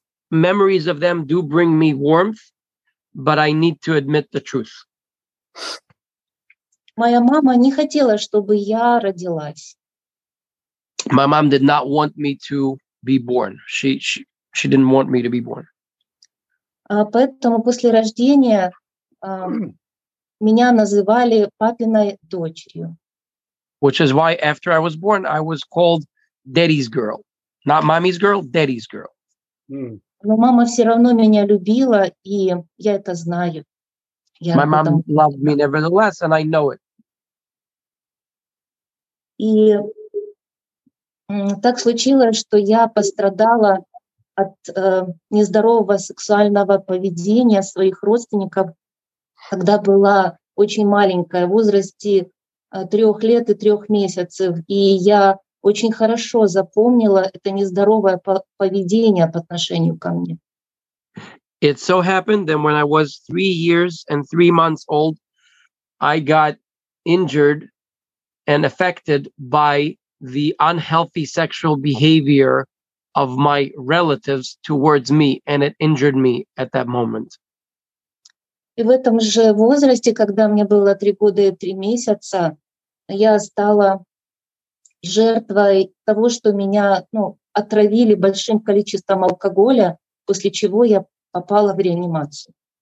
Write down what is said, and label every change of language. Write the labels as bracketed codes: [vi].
[en] Memories of them do bring me warmth, but I need to admit the truth. [ru] Моя мама не хотела, чтобы я родилась. [en] My mom did not want me to be born. She didn't want me to be born. [ru] Поэтому после рождения меня называли папиной дочерью. [en] Which is why after I was born, I was called daddy's girl. Not mommy's girl, daddy's girl. [ru] Но мама все равно меня любила, и я это знаю. [en] My mom loved me nevertheless, and I know it. [ru] И так случилось, что я пострадала от нездорового сексуального поведения своих родственников, когда была очень маленькая, в возрасте 3 лет и 3 месяцев. И я очень хорошо запомнила это нездоровое поведение по отношению ко мне. [en] It so happened that when I was 3 years and 3 months old, I got injured and affected by the unhealthy sexual behavior of my relatives towards me, and it injured me at that moment. [ru] И в этом же возрасте, когда мне было 3 года и 3 месяца, я стала жертвой того, что меня, ну, отравили большим количеством алкоголя, после чего я попала в реанимацию.